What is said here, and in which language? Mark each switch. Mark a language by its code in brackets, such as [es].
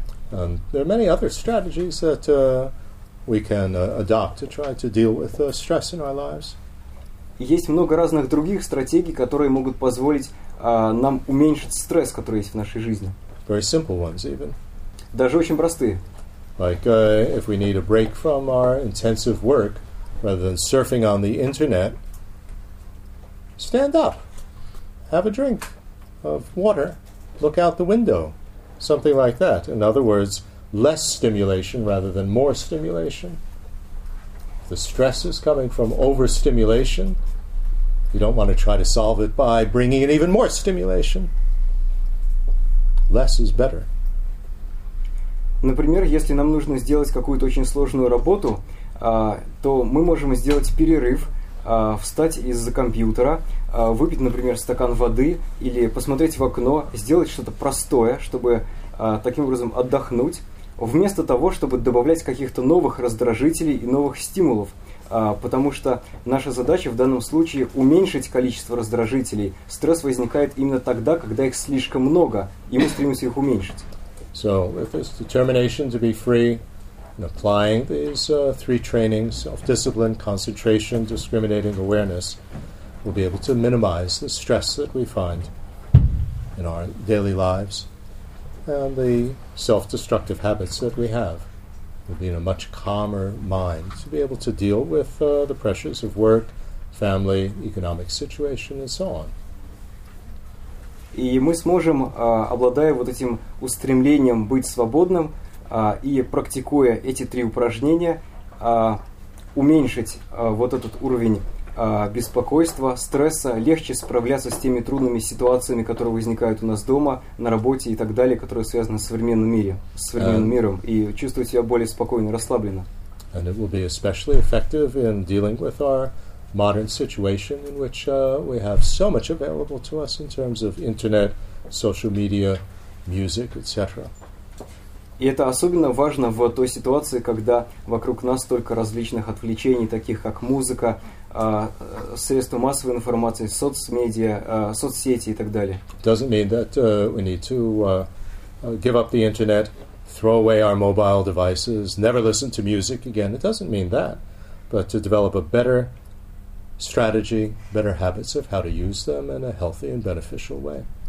[en] And there are many other strategies that we can adopt to try to deal with stress in our lives. [ru] Есть много разных других стратегий, которые могут позволить нам уменьшить стресс, который есть в нашей жизни. [en] Very simple ones even. [ru] Даже очень простые. [en] Like if we need a break from our intensive work, rather than surfing on the internet, stand up, have a drink of water, look out the window, something like that. In other words, less stimulation rather than more stimulation. If the stress is coming from overstimulation, you don't want to try to solve it by bringing in even more stimulation. Less is better. [ru] Например, если нам нужно сделать какую-то очень сложную работу, то мы можем сделать перерыв, встать из-за компьютера, выпить, например, стакан воды или посмотреть в окно, сделать что-то простое, чтобы таким образом отдохнуть, вместо того, чтобы добавлять каких-то новых раздражителей и новых стимулов, потому что наша задача в данном случае уменьшить количество раздражителей. Стресс возникает именно тогда, когда их слишком много, и мы стремимся их уменьшить. [en] So, with this determination to be free, and applying these three trainings, self-discipline, concentration, discriminating awareness, we'll be able to minimize the stress that we find in our daily lives and the self-destructive habits that we have. We'll be in a much calmer mind to be able to deal with the pressures of work, family, economic situation, and so on. [ru] И мы сможем, обладая вот этим устремлением быть свободным, и практикуя эти три упражнения, уменьшить вот этот уровень беспокойства, стресса, легче справляться с теми трудными ситуациями, которые возникают у нас дома, на работе и так далее, которые связаны с современным миром, и чувствовать себя более спокойно, расслабленно. [en] And it will be especially effective in dealing with our modern situation, in which we have so much available to us in terms of internet, social media, music, etc. [ru] И это особенно важно в той ситуации, когда вокруг нас столько различных отвлечений, таких как музыка, средства массовой информации, соцмедиа, соцсети и так далее. [en] Doesn't mean that we need to give up the internet, throw away our mobile devices, never listen to music again. It doesn't mean that. But to develop a better strategy, better habits of how to use them in a healthy and beneficial way.